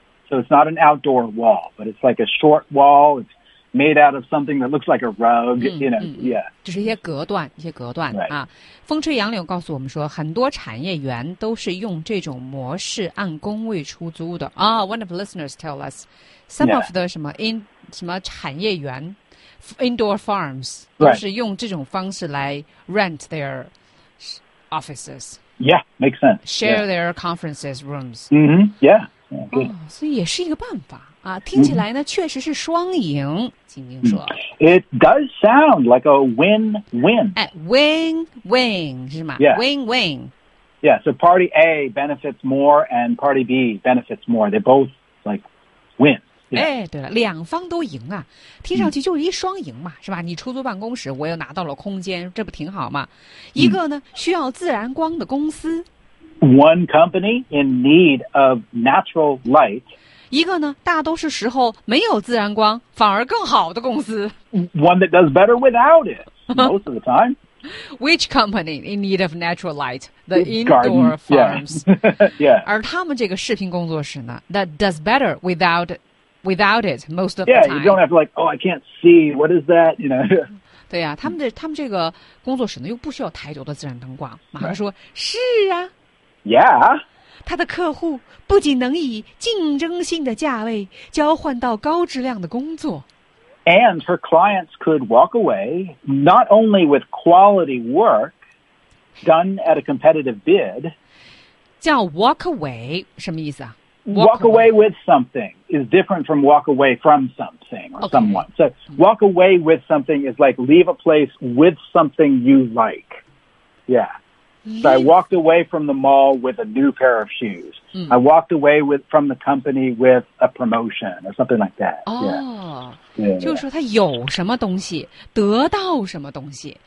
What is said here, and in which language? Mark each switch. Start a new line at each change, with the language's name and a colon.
English: So it's not an outdoor wall, but it's like a short wall. It's made out of something that looks like a rug, you know, yeah.
Chinese: 就是一些隔断，一些隔断、 right. 啊。风吹杨柳告诉我们说，很多产业园都是用这种模式按工位出租的啊。
English: Oh, one of the listeners tell us some、 yeah. of the
Chinese: 什么
English: in
Chinese: 什么产业园
English: indoor farms、 right.
Chinese: 都是用这种方式来
English: rent their offices. Yeah, makes sense. Share、 yeah. their conferences rooms. Mm-hmm. Yeah. Yeah, good.
Chinese: 哦，所以也是一个办法。啊，听起来呢，确实是双赢。晶晶说
English: ，It does sound like a win-win.
Chinese: 哎 ，win-win 是吗 ？Win-win.
English: Yeah, so party A benefits more, and party B benefits more. They both like win.、Yeah.
Chinese: 哎，对了，两方都赢啊，听上去就是一双赢嘛，是吧？你出租办公室，我又拿到了空间，这不挺好吗？一个呢，需要自然光的公司
English: ，One company in need of natural light.
Chinese: 一个呢，大多数时候没有自然光，反而更好的公司。
English: One that does better without it, most of the time. Which company in need of natural light? The indoor farms. Yeah. yeah.
Chinese: 而他们这个视频工作室呢 ，
English: that does better without it most of yeah, the time. Yeah, you don't have to like, oh, I can't see. What is that? You know.
Chinese: 对呀、啊，他们这个工作室呢，又不需要太多的自然灯光。马上说、 right. 是啊。 Yeah. 他的客户不仅能以竞争性的价位交换到高质量的工作
English: ，and her clients could walk away not only with quality work done at a competitive bid. 叫 walk away 什么意思啊？Walk away with something is different from walk away from something or someone.、 Okay. So walk away with something is like leave a place with something you like. Yeah. So I walked away from the mall with a new pair of shoes.、 Mm. I walked away from the company with a promotion or something like that. Oh, yeah. Yeah.
Chinese: 就是说他有什么东西，得到什么东西。